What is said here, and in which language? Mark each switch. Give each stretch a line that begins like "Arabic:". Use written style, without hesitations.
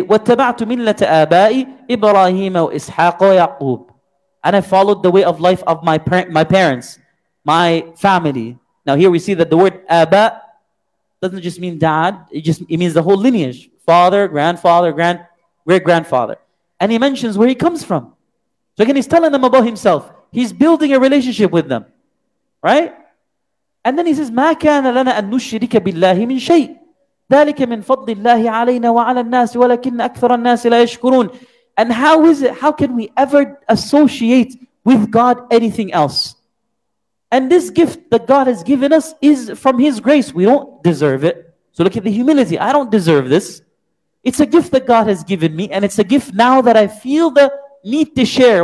Arabic: وَاتَّبَعْتُ مِلَّةَ آبَائِ إِبْرَاهِيمَ وَإِسْحَاقَ وَيَعْقُوبَ.
English: And I followed the way of life of my parents, my family, Now here we see that the word aba doesn't just mean dad, it means the whole lineage. Father, grandfather, great-grandfather. And he mentions where he comes from. So again, he's telling them about himself. He's building a relationship with them. Right? And then he says,
Arabic: مَا كَانَ لَنَا أَن نُشْرِكَ بِاللَّهِ مِنْ شَيْءٍ ذَلِكَ مِنْ فَضْلِ اللَّهِ عَلَيْنَا وَعَلَى النَّاسِ وَلَكِنَّ أَكْثَرَ النَّاسِ لَا يَشْكُرُونَ.
English: And how is it, how can we ever associate with God anything else? And this gift that God has given us is from His grace. We don't deserve it. So look at the humility. I don't deserve this. It's a gift that God has given me, and it's a gift now that I feel the need to share.